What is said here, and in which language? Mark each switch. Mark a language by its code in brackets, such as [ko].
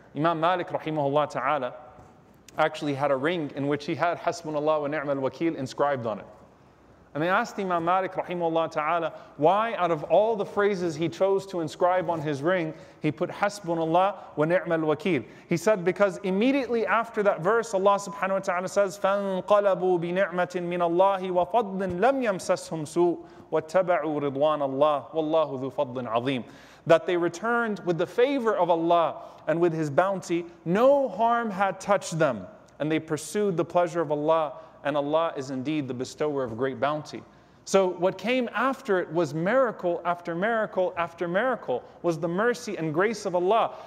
[en] Imam Malik rahimahullah ta'ala actually had a ring in which he had Hasbunallah wa ni'mal wakeel inscribed on it. And they asked Imam Malik, rahimahullah ta'ala, why out of all the phrases he chose to inscribe on his ring, he put hasbunallah wa ni'mal wakeel. [ar] He said, because immediately after that verse, Allah subhanahu wa ta'ala says, فَانْقَلَبُوا بِنِعْمَةٍ مِنَ اللَّهِ وَفَضْلٍ لَمْ يَمْسَسْهُمْ سُوءٍ وَاتَّبَعُوا رِضْوَانَ اللَّهِ وَاللَّهُ ذُو فَضْلٍ عَظِيمٍ. [en] That they returned with the favor of Allah and with His bounty, no harm had touched them, and they pursued the pleasure of Allah, and Allah is indeed the bestower of great bounty. So what came after it was miracle after miracle after miracle, was the mercy and grace of Allah.